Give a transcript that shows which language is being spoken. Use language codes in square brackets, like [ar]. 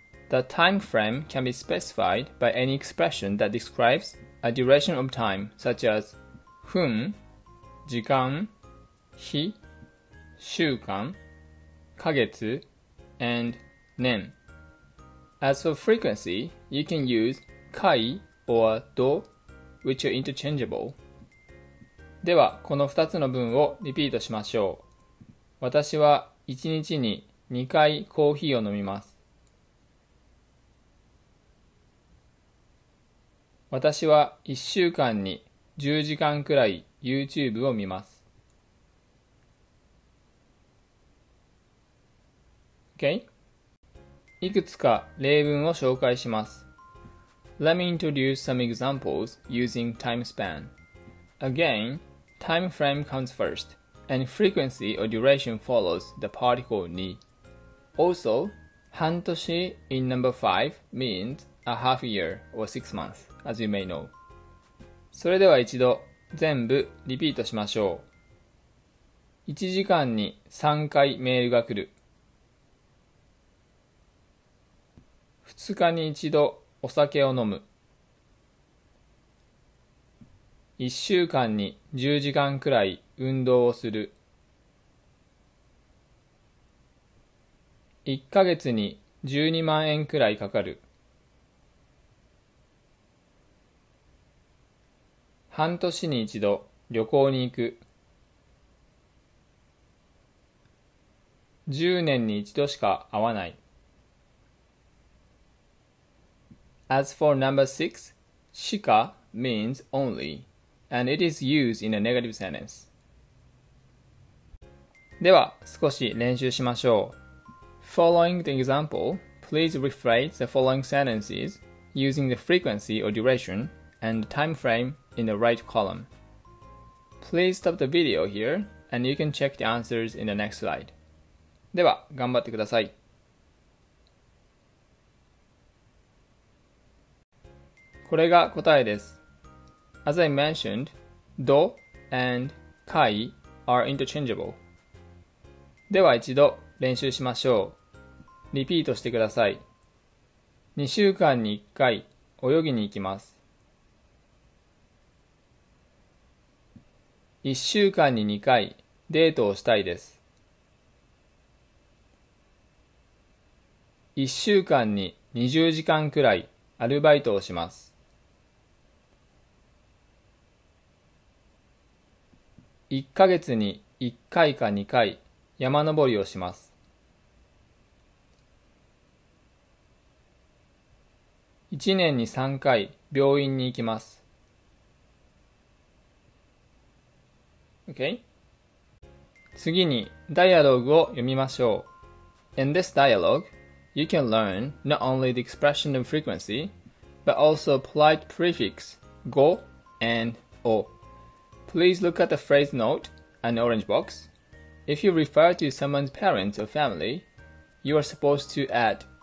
[en] The time frame can be specified by any expression that describes a duration of time, such as 分、 [ja] 時間、日、週間、か月、 [en] and [ja] 年。 [en] As for frequency, you can use 回 or 度, which are interchangeable. [ja] では、この2つの文をリピートしましょう。私は1日に2回コーヒーを飲みます。私は1週間に10時間くらい YouTube を見ます。 [en] Okay? [ja] いくつか例文を紹介します。 [en] Let me introduce some examples using time span. Again,Time frame comes first, and frequency or duration follows the particle に. Also, 半年 in number 5 means a half year or 6 months, as you may know. [ja] それでは一度全部リピートしましょう。 1時間に3回メールが来る。 2日に一度お酒を飲む。 1週間に10時間くらい運動をする。 1ヶ月に12万円くらいかかる。半年に一度旅行に行く。 10年に一度しか会わない。 [en] As for number 6, しか means only. And it is used in a negative sentence. [ja] では、少し練習しましょう。 [en] Following the example, please rephrase the following sentences using the frequency or duration and time frame in the right column. Please stop the video here and you can check the answers in the next slide. [ja] では、頑張ってください。これが答えです。 [en] As I mentioned, do and kai are interchangeable. [ja] では一度練習しましょう。リピートしてください。 2週間に1回泳ぎに行きます。 1週間に2回デートをしたいです。 1週間に20時間くらいアルバイトをします。 1ヶ月に1回か2回山登りをします。 1年に3回病院に行きます。 [en] OK? [ja] 次にダイアログを読みましょう。 [en] In this dialogue, you can learn not only the expression of frequency, but also polite prefix go and o. Please look at the phrase note and orange box. If you refer to someone's parents or family, you are supposed to add